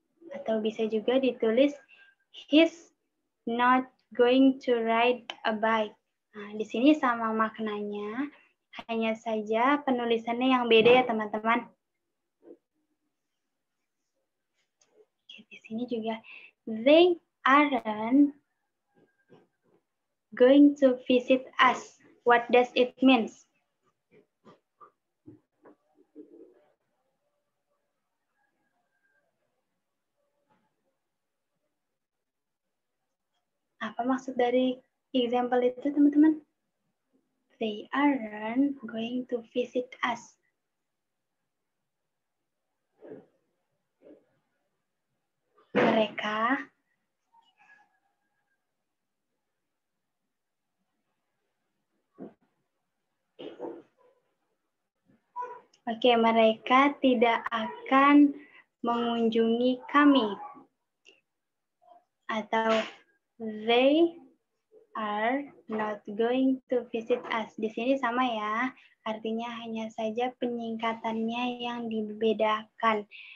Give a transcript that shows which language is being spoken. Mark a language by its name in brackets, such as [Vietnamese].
[Indonesian] Atau bisa juga ditulis [English] he's not going to ride a bike. [Indonesian] Nah, di sini sama maknanya, hanya saja penulisannya yang beda ya, teman-teman. [English] Oke, [Indonesian] di sini juga [English] they aren't going to visit us. What does it mean? [Indonesian] Apa maksud dari example itu, teman-teman? [English] They aren't going to visit us. [Indonesian] Mereka Oke, mereka tidak akan mengunjungi kami. [English] Atau they are not going to visit us. [Indonesian] Di sini sama ya, artinya hanya saja penyingkatannya yang dibedakan.